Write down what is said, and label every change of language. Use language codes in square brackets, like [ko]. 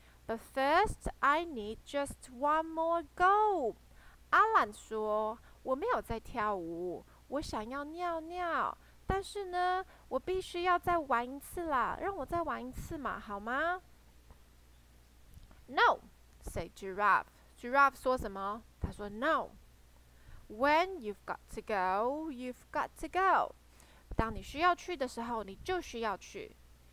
[en] But first, I need just one more go. [zh] 阿兰说：“我没有在跳舞，我想要尿尿。但是呢，我必须要再玩一次啦，让我再玩一次嘛，好吗？” [en] No, said giraffe. [zh] Giraffe 说什么？他说：“No. [en] When you've got to go, you've got to go. [zh] 当你需要去的时候，你就需要去。”